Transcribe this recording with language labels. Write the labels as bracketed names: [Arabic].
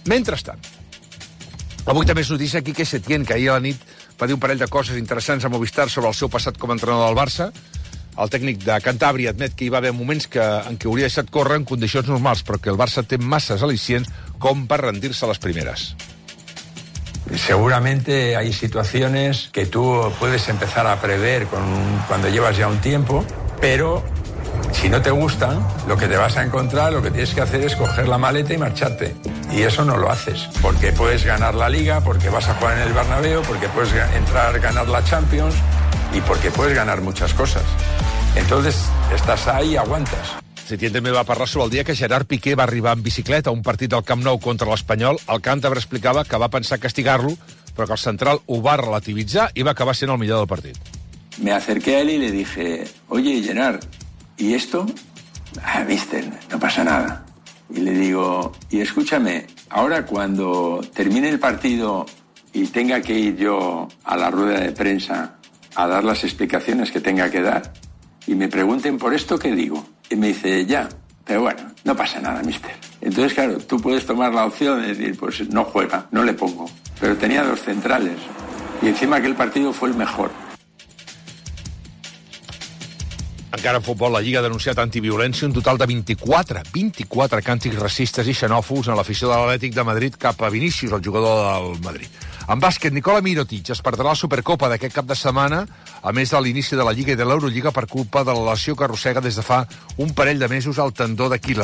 [Catalan] Mentrestant, avui també es notícia aquí que Setién, que ahir a la nit va dir un parell de coses interessants a Movistar sobre el seu passat com a entrenador del Barça, El tècnic de Cantàbria admet que hi va haver moments que, en què hauria deixat córrer en condicions normals, però que el Barça té masses al·licients com per rendir-se a les primeres. [Spanish] Seguramente hay situaciones que tú puedes empezar a prever cuando llevas ya un tiempo, pero si no te gustan, lo que te vas a encontrar, lo que tienes que hacer es coger la maleta y marcharte. Y eso no lo haces, porque puedes ganar la Liga, porque vas a jugar en el Bernabéu, porque puedes entrar a ganar la Champions y porque puedes ganar muchas cosas. Entonces, estás ahí y aguantas. [Catalan] Setién també va parlar sobre el dia que Gerard Piqué va arribar en bicicleta a un partit del Camp Nou contra l'Espanyol. El càntabre explicava que va pensar castigar-lo, però que el central ho va relativitzar i va acabar sent el millor del partit. [Spanish] Me acerqué a él y le dije, oye, Gerard, ¿y esto? Ah, mister, no pasa nada. Y le digo, y escúchame, ahora cuando termine el partido y tenga que ir yo a la rueda de prensa a dar las explicaciones que tenga que dar y me pregunten por esto, ¿qué digo? Y me dice, ya, pero bueno, no pasa nada, mister. Entonces, claro, tú puedes tomar la opción de decir, pues no juega, no le pongo. Pero tenía dos centrales y encima aquel partido fue el mejor. [Catalan] Encara en futbol, la Lliga ha denunciat antiviolència, un total de 24 càntics racistes i xenòfobs en l'afició de l'Atlètic de Madrid cap a Vinícius, el jugador del Madrid. En bàsquet, Nikola Mirotić es perdrà la Supercopa d'aquest cap de setmana, a més de l'inici de la Lliga i de l'Eurolliga, per culpa de la lesió que arrossega des de fa un parell de mesos al tendó d'Aquila.